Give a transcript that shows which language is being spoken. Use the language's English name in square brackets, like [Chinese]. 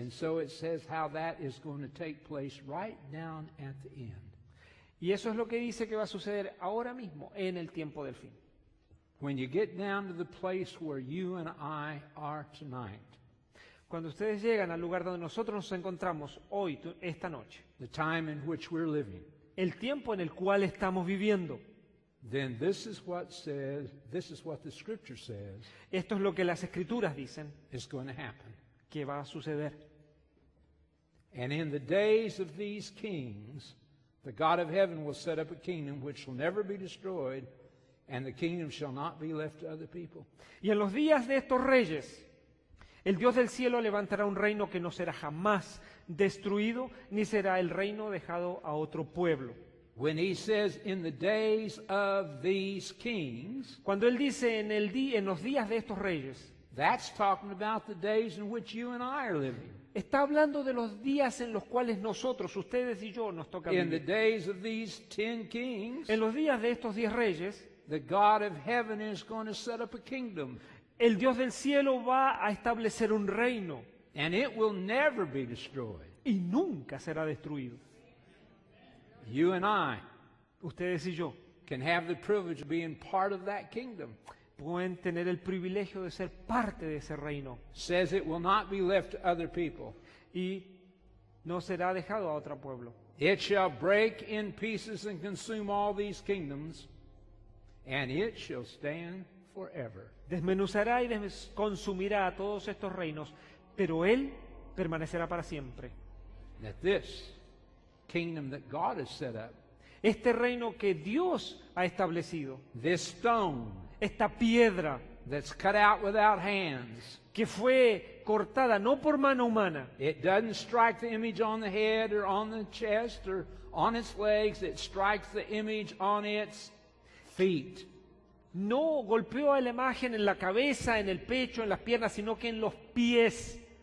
[English] And so it says how that is going to take place right down at the end. [Spanish] Y eso es lo que dice que va a suceder ahora mismo en el tiempo del fin. [English] When you get down to the place where you and I are tonight. [Spanish] Cuando ustedes llegan al lugar donde nosotros nos encontramos hoy, esta noche. [English] The time in which we're living. [Spanish] El tiempo en el cual estamos viviendo. [English] Then this is what says, this is what the scripture says. [Spanish] Esto es lo que las escrituras dicen. [English] Is going to happen. [Spanish] Que va a suceder. [English] And in the days of these kings, the God of heaven will set up a kingdom which shall never be destroyed, and the kingdom shall not be left to other people. [Spanish] Y en los días de estos reyes, el Dios del cielo levantará un reino que no será jamás destruido, ni será el reino dejado a otro pueblo. [English] When he says in the days of these kings, [Spanish] cuando él dice en los días de estos reyes, [English] that's talking about the days in which you and I are living. [Spanish] Está hablando de los días en los cuales nosotros, ustedes y yo, nos toca vivir. [English] In the days of these ten kings, [Spanish] en los días de estos 10 reyes, [English] the God of heaven is going to set up a kingdom. [Spanish] El Dios del cielo va a establecer un reino. [English] And it will never be destroyed. [Spanish] Y nunca será destruido. [English] You and I, [Spanish] ustedes y yo, [English] can have the privilege of being part of that kingdom. [Spanish] Pueden tener el privilegio de ser parte de ese reino. [English] Says it will not be left to other people. [Spanish] Y no será dejado a otro pueblo. [English] It shall break in pieces and consume all these kingdoms, and it shall stand forever. [Spanish] Desmenuzará y consumirá a todos estos reinos, pero él permanecerá para siempre. [English] That this kingdom that God has set up, [Spanish] este reino que Dios ha establecido, [English] this stone, [Spanish] esta piedra, [English] that's cut out without hands, [Spanish] que fue cortada no por mano humana, [English] it doesn't strike the image on the head or on the chest or on its legs, it strikes the image on its feet. [Spanish] No golpeó a la imagen en la cabeza, en el pecho, en las piernas, sino que en los pies.